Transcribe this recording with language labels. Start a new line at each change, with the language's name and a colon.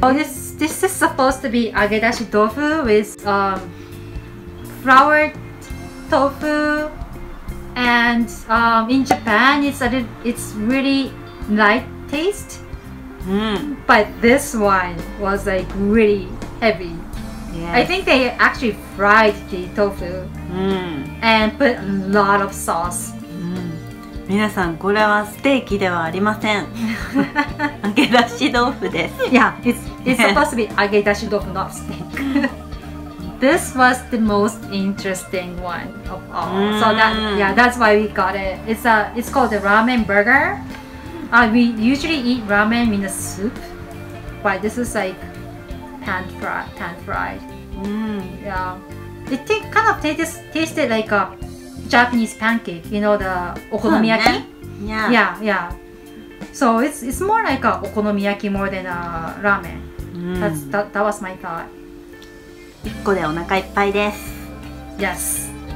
English: So this is supposed to be agedashi tofu with flour tofu, and in Japan it's really light taste. But this one was like really heavy. Yes. I think they actually fried the tofu and put a lot of sauce.
Japanese: 皆さん、これはステーキではありません。揚げ出し豆腐です。
English: Yeah, it's supposed to be 揚げ出し豆腐, not steak. This was the most interesting one of all. So that's why we got it. It's called the ramen burger. We usually eat ramen in a soup, but this is like pan fried. Yeah, it kind of tasted like a. Japanese pancake, you know, the okonomiyaki? Yeah. So it's more like a okonomiyaki more than a ramen. That was my thought.
Japanese: 一個でお腹いっぱいです。